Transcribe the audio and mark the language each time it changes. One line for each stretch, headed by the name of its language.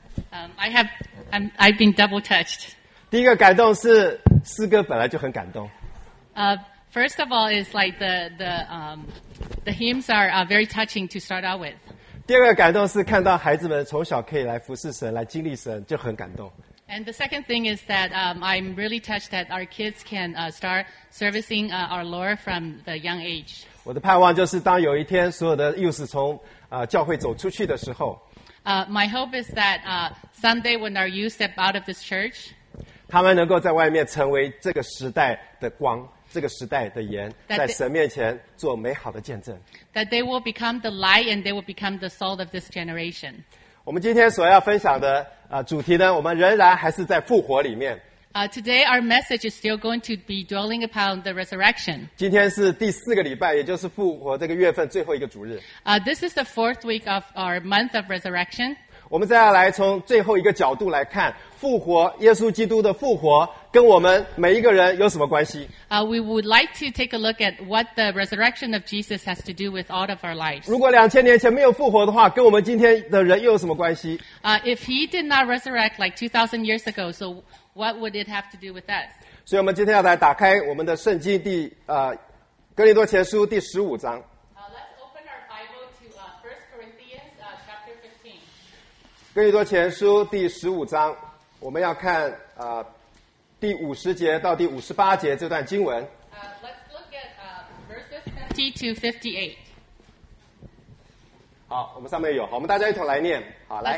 English: I've been double touched.
Chinese: 第一个感动是诗歌本来就很感动。
English: First of all, is like the hymns are very touching to start out with.
Chinese: 第二个感动是看到孩子们从小可以来服侍神，来经历神，就很感动。
English: And the second thing is that I'm really touched that our kids can start servicing our Lord from the young age.
Chinese: 我的盼望就是当有一天所有的 youth 从教会走出去的时候。
English: My hope is that someday when our youth step out of this church,
Chinese: 他们能够在外面成为这个时代的光。这个时代的盐，在神面前做美好的见证。
English: That they will become the light and they will become the salt of this generation.
Chinese: 我们今天所要分享的主题呢，我们仍然还是在复活里面。
English: Today our message is still going to be dwelling upon the resurrection.
Chinese: 今天是第四个礼拜，也就是复活这个月份最后一个主日。
English: This is the fourth week of our month of resurrection.
Chinese: 我们再要来从最后一个角度来看复活，耶稣基督的复活。跟我们每一个人有什么关系？
English: We would like to take a look at what the resurrection of Jesus has to do with all of our lives.
Chinese: 如果两千年前没有复活的话，跟我们今天的人又有什么关系？
English: If he did not resurrect like 2,000 years ago, so what would it have to do with us?
Chinese: 所以我们今天要来打开我们的圣经第哥林多前书第十五章。
English: Let's open our Bible to First Corinthians chapter 15.
Chinese: 哥林多前书第十五章，我们要看第五十节到第五十八节这段经文。
English: Let's look at verses 50 to 58.
Chinese: 好，我们上面有，好，我们大家一同来念。好，来。